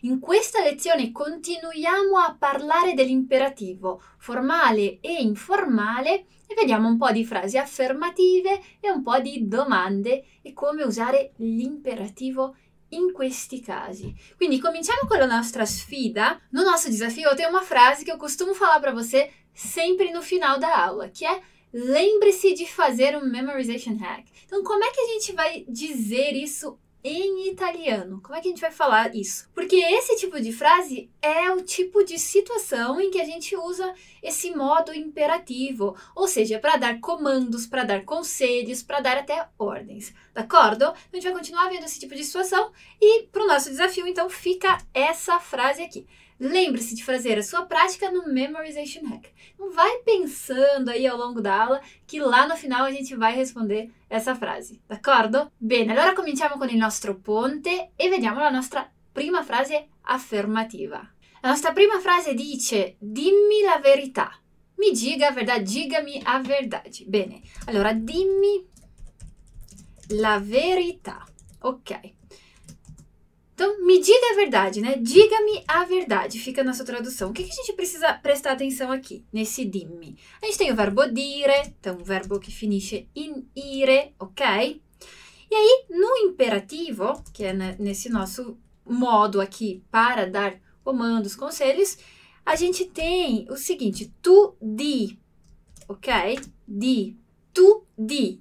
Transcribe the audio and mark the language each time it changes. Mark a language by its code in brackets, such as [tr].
[it] In questa lezione continuiamo a parlare dell'imperativo formale e informale e vediamo un po' di frasi affermative e un po' di domande e come usare l'imperativo in questi casi. Quindi cominciamo con la nostra sfida. [pt] No nosso desafio tem uma frase que eu costumo falar para você sempre no final da aula, que é lembre-se de fazer um memorization hack. Então, como é que a gente vai dizer isso em italiano? Como é que a gente vai falar isso? Porque esse tipo de frase é o tipo de situação em que a gente usa esse modo imperativo, ou seja, para dar comandos, para dar conselhos, para dar até ordens. D'accordo? Então, a gente vai continuar vendo esse tipo de situação e para o nosso desafio, então, fica essa frase aqui. Lembre-se de fazer a sua prática no Memorization Hack. Não vai pensando aí ao longo da aula que lá no final a gente vai responder essa frase, d'accordo? [it] Bene, allora cominciamo con il nostro ponte e vediamo la nostra prima frase affermativa. La nostra prima frase dice: dimmi la verità. Mi diga la verità, digami la verità. Bene, allora dimmi la verità. Ok. [pt] Então, me diga a verdade, né? Diga-me a verdade, fica a nossa tradução. O que que a gente precisa prestar atenção aqui, nesse dimmi? A gente tem o verbo dire, então, o verbo que finisce in ire, ok? E aí, no imperativo, que é nesse nosso modo aqui para dar comandos, conselhos, a gente tem o seguinte: tu di, ok? Di. Tu di.